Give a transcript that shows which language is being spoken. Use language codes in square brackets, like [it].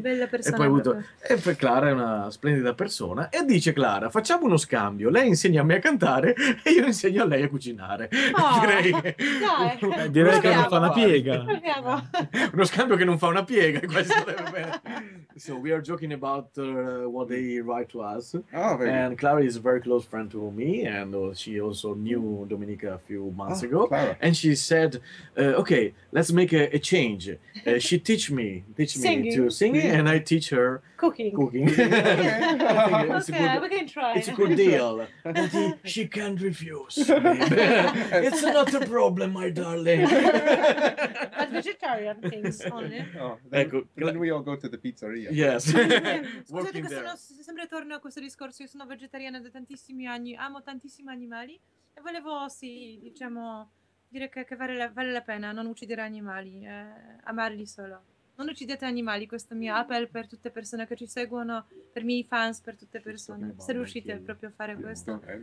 [it] bella persona, e poi avuto... E per Clara è una splendida persona, e dice: Clara, facciamo uno scambio, lei insegna a me a cantare e io insegno a lei a cucinare. Direi che non fa una piega. Uno scambio che non fa una piega, questo deve... [en] So we are joking about what they write to us. And Clara is a very close friend to me, and she also knew Dominica a few months ago. Clara. And she said, okay, let's make a change. She teach me to sing, and I teach her cooking. Okay. Okay, good, we can try. It's a good deal. And she can't refuse. It's not a problem, my darling. But vegetarian things only. Oh, then we all go to the pizzeria. Yes. [it] Scusate, sono, sempre torno a questo discorso. Io sono vegetariana da tantissimi anni, amo tantissimi animali e volevo, sì, diciamo, dire che vale la pena non uccidere animali, amarli solo. Non uccidete animali, questo mio appel per tutte le persone che ci seguono, per i miei fans, per tutte le persone, se riuscite proprio a fare questo.